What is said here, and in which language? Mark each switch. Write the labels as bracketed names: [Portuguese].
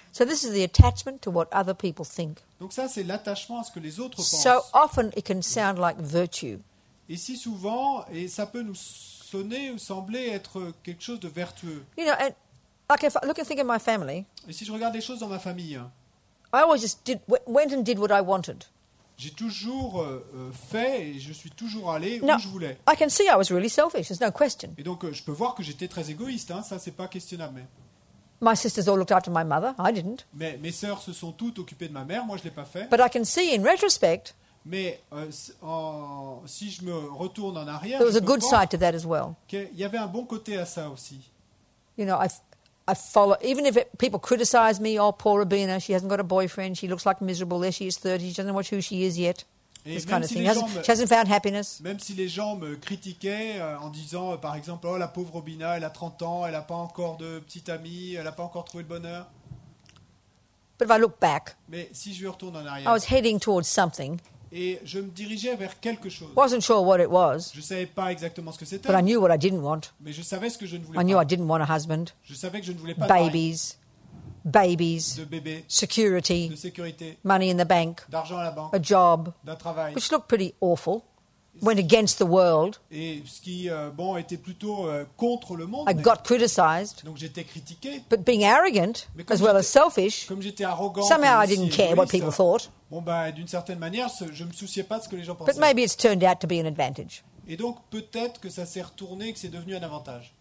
[English] So this is the attachment to what other people think. [French] Donc ça, c'est l'attachement à ce que les autres pensent. [English] So often it can sound like virtue. [French] Et si souvent, et ça peut nous sonner ou sembler être quelque chose de vertueux. [English] You know, and like if I look and think of my family. [French] Et si je regarde les choses dans ma famille. [English] I always just did, went and did what I wanted. [French] J'ai toujours fait et je suis toujours allé où [English] Now, [French] je voulais. [English] I can see I was really selfish, there's no question. [French] Et donc je peux voir que j'étais très égoïste, hein, ça c'est pas questionnable. Mais... [English] My sisters all looked after my mother, I didn't. [French] Mais mes sœurs se sont toutes occupées de ma mère, moi je l'ai pas fait. [English] But I can see in retrospect. [French] Mais si je me retourne en arrière, [English] there was a good side to that as well. [French] Il y avait un bon côté à ça aussi. [English] You know, I follow, even if people criticize me, oh, poor Rabina, she hasn't got a boyfriend, she looks like miserable, there she is 30, she doesn't know who she is yet, [French] et [English] this kind [French] si [English] of thing. She hasn't found happiness. [French] Même si les gens me critiquaient en disant, par exemple, oh, la pauvre Rabina, elle a 30 ans, elle n'a pas encore de petite amie, elle n'a pas encore trouvé le bonheur. [English] But if I look back, [French] mais si je retourne en arrière, [English] I was heading towards something. [French] Et je me dirigeais vers quelque chose. [English] Wasn't sure what it was, [French] je ne savais pas exactement ce que c'était. [English] But I knew what I didn't want. [French] Mais je savais ce que je ne voulais [English] I Knew I didn't want a husband. [French] Je savais que je ne voulais pas [English] babies, [French] de mari. [English] Babies. [French] De bébé. [English] Security. [French] De sécurité. [English] Money in the bank. [French] D'argent à la banque. [English] A job. [French] D'un travail. [English] Which looked pretty awful. Went against the world. [French] Et ce qui bon était plutôt contre le monde. [English] I got criticized. [French] Donc j'étais critiqué. [English] But being arrogant as well as selfish. [French] Comme j'étais arrogant. [English] Somehow I didn't care what people thought. [French] Bon ben d'une certaine manière je me souciais pas de ce que les gens pensaient. [English] But maybe it's turned out to be an advantage. [French] Et donc peut-être que ça s'est retourné que c'est devenu un avantage.